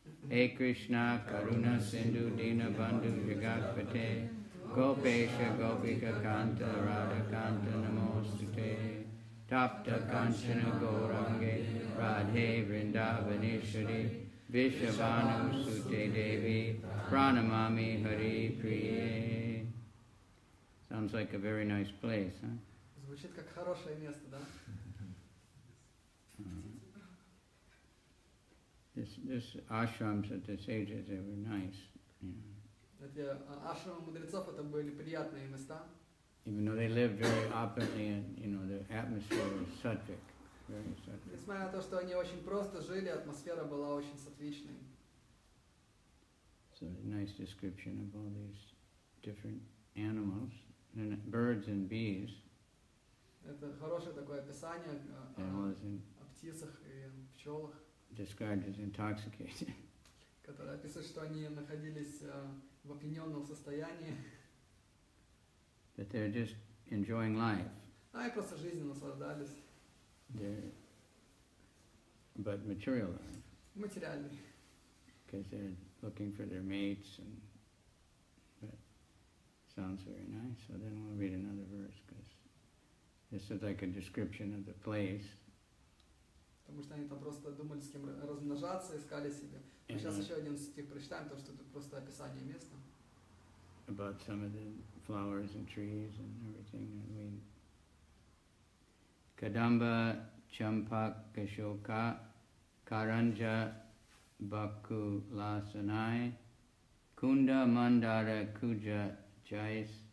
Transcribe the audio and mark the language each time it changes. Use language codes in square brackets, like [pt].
[sa] E Krishna Karuna Sindhu Dina Bandhu Jagatpate Gopesha Gopika Kanta Radha Kanta Namostute Tapta Kanchana Gorange Radhe Vrindavanishwari Vishavanu Sute Devi Pranamami Hari Priye. [en] Sounds like a very nice place, huh? [ru] Звучит как хорошее место, да? [en] This ashrams at the sages, they were nice. [ru] Эти ашрамы мудрецов это были приятные места. [en] Even though they lived very openly, and you know, the atmosphere was sattvic. [ru] Несмотря на то, что они очень просто жили, атмосфера была очень сатвичной. [en] So, a nice description of all these different animals, and birds and bees. [ru] Это хорошее такое описание о птицах и пчелах. [en] Described as intoxicated. [ru] Которое описывает, что они находились в опьяненном состоянии. [en] That they're just enjoying life. [ru] Они просто жизнью наслаждались. [en] But material life. Because they're looking for their mates, and but sounds very nice. So then we'll read another verse, because this is like a description of the place. [ru] Потому что они там просто думали, с кем размножаться, искали себе. Мы сейчас еще один стих прочитаем, потому что это просто описание места. [en] About some of the flowers and trees and everything. I mean, [sa] Kadamba Champak Kashoka Karanja Baku Lasanai Kunda Mandara Kuja Jais